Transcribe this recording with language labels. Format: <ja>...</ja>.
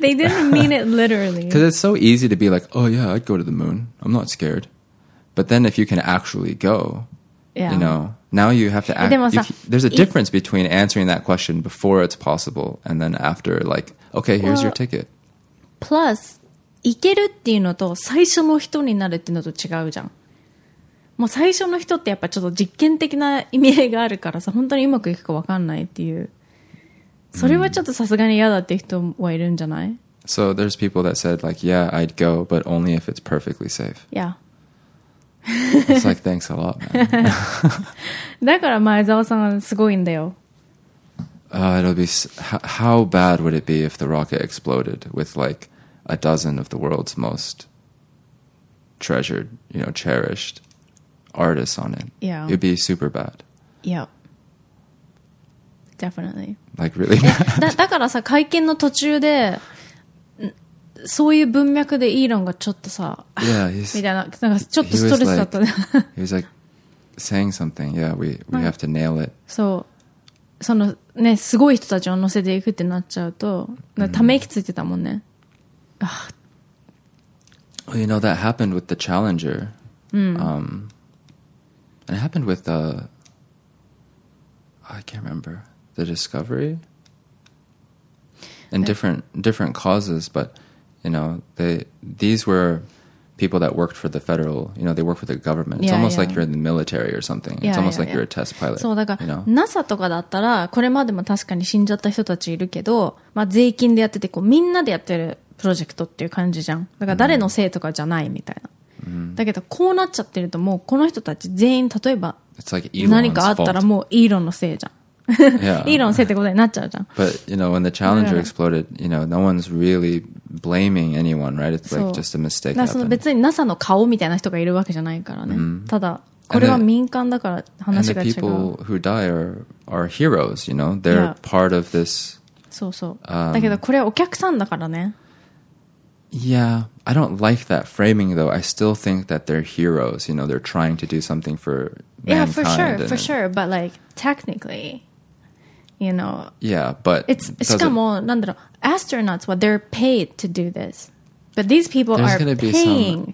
<en>They didn't mean it literally. Because it's so easy to be like, oh yeah, I'd go to the moon. I'm not scared. But then if you can actually go, you know, now you have to act. There's a difference between answering that question before it's possible and then after, like, okay, here's your ticket. Plus,</en> <ja>行けるっていうのと最初の人になるっていうのと違うじゃん。もう最初の人ってやっぱちょっと実験的な意味合いがあるからさ、本当にうまくいくか分かんないっていう。それはちょっとさすがに嫌だって人はいるんじゃない？</ja> <en>So there's people that said like, yeah, I'd go, but only if it's perfectly safe. Yeah. It's like, thanks a lot, man.</en> <ja>だから前澤さんはすごいんだよ。</ja> <en>How bad would it be if the rocket exploded with like a dozen of the world's most treasured, you know, cherished artists on it? Yeah. It'd be super bad. Yeah. Definitely. Like, really bad.</en> <ja>だからさ、会見の途中で、そういう文脈でイーロンがちょっとさ、みたいな、なんかちょっとストレスだったね。</ja> <en>He was like saying something, yeah, we have to nail it.</en> <ja>そう。そのね、すごい人たちを乗せていくってなっちゃうと、ため息ついてたもんね。</ja> <en>Well, you know, that happened with the Challenger. And it happened with the... I can't remember. The Discovery? And different causes, but... You know, these were people that worked for the federal, you know, they worked for the government. It's almost like you're in the military or something. It's almost like you're a test pilot.</en> <ja>そうだから、</ja> <en>you know?</en> <ja>NASA とかだったら、これまでも確かに死んじゃった人たちいるけど、まあ、税金でやってて、こう、みんなでやってるプロジェクトっていう感じじゃん。だから誰のせいとかじゃないみたいな。 Mm-hmm. だけど、こうなっちゃってると、もうこの人たち全員、例えば、</ja> <en>It's like Elon's fault.</en> <ja>何かあったらもうイーロンのせいじゃん。</ja> <en>yeah. Elon said</en> <ja>ってことになっちゃうじゃん。</ja> <en>But you know, when the Challenger exploded, you know, no one's really blaming anyone, right? It's like just a mistake.</en> <ja>その別に NASA の顔みたいな人がいるわけじゃないからね。 Mm-hmm. ただこれは民間だから話が違う。</ja> <en>And the people who die are heroes, you know? They're part of this.</en> <ja>そうそう。だけどこれはお客さんだからね。</ja> <en>Yeah, I don't like that framing though. I still think that they're heroes. You know, they're trying to do something for mankind. Yeah, for sure, but like technically. You know, yeah, but it's</en> <ja>しかも何だろう</ja> <en>astronauts what they're paid to do this, but these people are paying</en>